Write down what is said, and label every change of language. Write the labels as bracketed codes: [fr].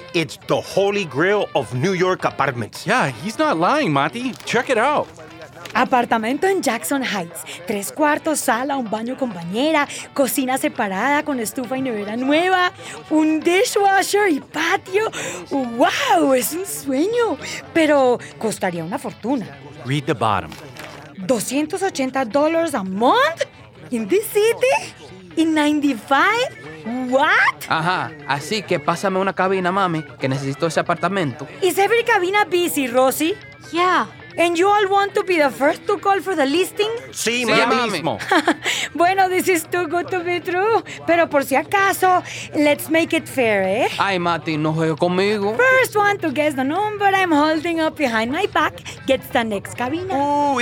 [en] It's the Holy Grail of New York apartments. Yeah, he's not lying, Mati. Check it out. [es] Apartamento en Jackson Heights. 3 cuartos, sala, un baño con bañera, cocina separada con estufa y nevera nueva, un dishwasher y patio. ¡Wow! Es un sueño. Pero costaría una fortuna. [en] Read the bottom. $280 a month? In this city? In 95? What? [es] Ajá. Así que pásame una cabina, mami, que necesito ese apartamento. [en] Is every cabina busy, Rosy? Yeah. And you all want to be the first to call for the listing? [es] Sí, sí, mami. Mismo. [en] Bueno, this is too good to be true. [es] Pero por si acaso, [en] let's make it fair, [es] ¿eh? Ay, Mati, no juego conmigo. [en] First one to guess the number I'm holding up behind my back gets the next cabina.